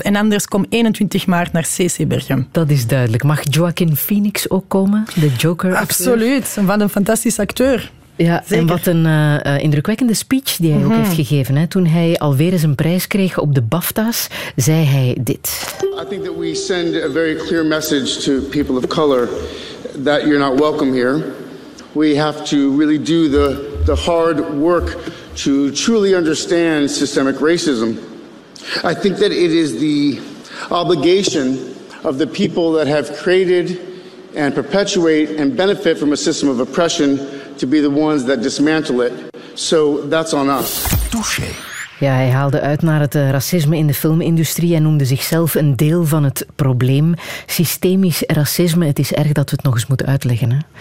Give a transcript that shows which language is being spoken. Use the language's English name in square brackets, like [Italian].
[Dutch] En anders kom 21 maart naar CC Berchem. Dat is duidelijk. Mag Joaquin Phoenix ook komen? De Joker? Absoluut. Wat een fantastisch acteur. Ja, zeker. En wat een indrukwekkende speech die hij ook heeft gegeven. Hè. Toen hij alweer eens een prijs kreeg op de BAFTA's, zei hij dit. [English] I think that we send a very clear message to people of color that you're not welcome here. We have to really do the hard work to truly understand systemic racism. I think that it is the obligation of the people that have created and perpetuate and benefit from a system of oppression to be the ones that dismantle it. So that's on us. [Dutch] Touché. Ja, hij haalde uit naar het racisme in de filmindustrie en noemde zichzelf een deel van het probleem. Systemisch racisme, het is erg dat we het nog eens moeten uitleggen. Hè?